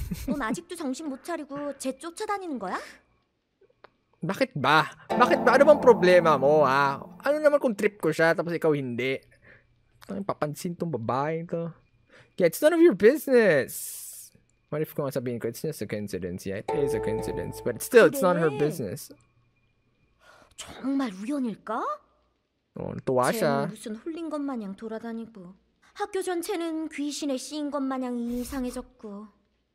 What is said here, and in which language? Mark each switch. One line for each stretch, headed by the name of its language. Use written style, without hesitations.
Korean: 넌 아직도 정신 못 차리고 쟤 쫓아다니는 거야? 뭐 마? 뭐
Filipino: ano bang problema mo? Ah, ano naman kung trip ko siya tapos ikaw hindi? Tang papansin tong babae to.
English: Yeah, it's none of your business. What if
Filipino: kung sabihin ko,
English: it's just a coincidence. Yeah, it is a coincidence, but still, it's not her business.
Korean: 정말 우연일까? 어, 또 와샤. 무슨 홀린 것 마냥 돌아다니고 학교 전체는 귀신에 씌인 것 마냥 이상해졌고.